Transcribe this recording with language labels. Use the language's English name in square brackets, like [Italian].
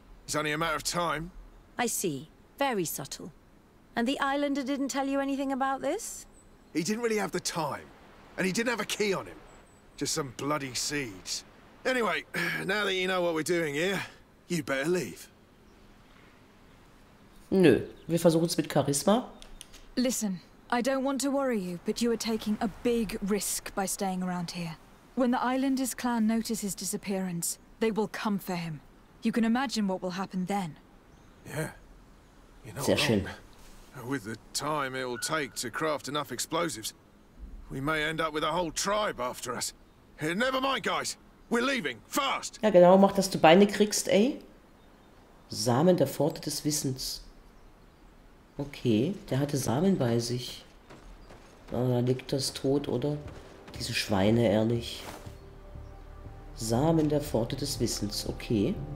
[English] It's only a matter of time. I see. Very subtle. And the islander didn't tell you anything about this? He didn't really have the time. And he didn't have a key on him. Just some bloody seeds. Anyway, now that you know what we're doing here, you better leave. [German] Nö, wir versuchen es mit Charisma. [English] Listen, I don't want to worry you, but you are taking a big risk by staying around here. When the Islanders' clan notices his disappearance, they will come for him. You can imagine what will happen then. Yeah. You're not wrong. With the time it will take to craft enough explosives, we may end up with a whole tribe after us. Never mind, guys. We're leaving. Fast. [German] Ja, genau, mach, dass du Beine kriegst, ey. Samen der Pforte des Wissens. Okay, der hatte Samen bei sich. Oh, da liegt das tot, oder? Diese Schweine, ehrlich. Samen der Pforte des Wissens. Okay.